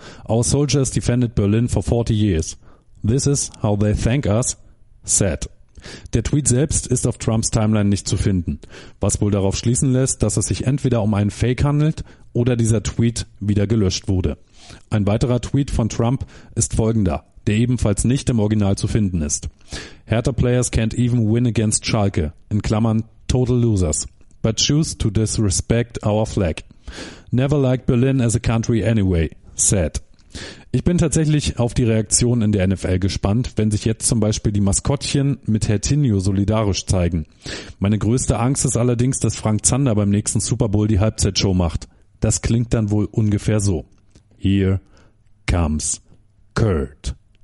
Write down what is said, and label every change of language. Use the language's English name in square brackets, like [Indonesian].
[English] Our soldiers defended Berlin for 40 years. This is how they thank us. Sad. [German] Der Tweet selbst ist auf Trumps Timeline nicht zu finden, was wohl darauf schließen lässt, dass es sich entweder um einen Fake handelt oder dieser Tweet wieder gelöscht wurde. Ein weiterer Tweet von Trump ist folgender, der ebenfalls nicht im Original zu finden ist. [English] Hertha players can't even win against Schalke, [German] in Klammern [English] total losers, but choose to disrespect our flag. Never liked Berlin as a country anyway, sad. [German] Ich bin tatsächlich auf die Reaktion in der NFL gespannt, wenn sich jetzt zum Beispiel die Maskottchen mit Hertinho solidarisch zeigen. Meine größte Angst ist allerdings, dass Frank Zander beim nächsten Super Bowl die Halbzeitshow macht. Das klingt dann wohl ungefähr so. [English] Here comes Kurt.